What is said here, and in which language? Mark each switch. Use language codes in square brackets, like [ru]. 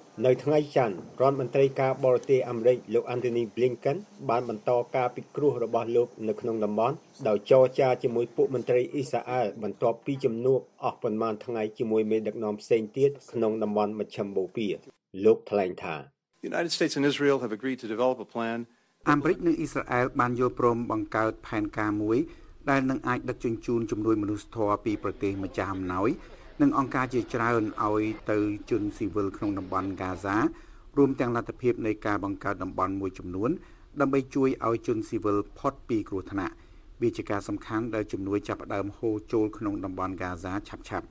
[km] នៅថ្ងៃច័ន្ទរដ្ឋមន្ត្រីការបរទេសអាមេរិកលោកអាន់តូនីប្លីនកិនបានបន្តការពិគ្រោះរបស់លោកនៅក្នុងតំបន់ដោយចរចាជាមួយពួកមន្ត្រីអ៊ីសរ៉ាអែលបន្ទាប់ពីជំនួបអស់ប៉ុន្មានថ្ងៃជាមួយមេដឹកនាំផ្សេងទៀតក្នុងតំបន់មជ្ឈមបូព៌ាលោកថ្លែងថា [en] United States and Israel have agreed to develop a plan [km] អាមេរិកនិងអ៊ីស្រាអែលបានយល់ព្រមបង្កើតផែនការមួយដែលនឹងអាចដឹកជញ្ជូនជំនួយមនុស្សធម៌ពីប្រទេសម្ចាស់អំណោយនិងអង្គការជាច្រើនឲ្យទៅជនស៊ីវិលក្នុងតំបន់ហ្គាហ្សារួមទាំងលទ្ធភាពនៃការបង្កើតតំបន់មួយចំនួនដើម្បីជួយឲ្យជនស៊ីវិលផុតពីគ្រោះថ្នាក់វាជាការសំខាន់ដែលជំនួយចាប់ដើមហូរចូលក្នុងតំបន់ហ្គាហ្សាឆាប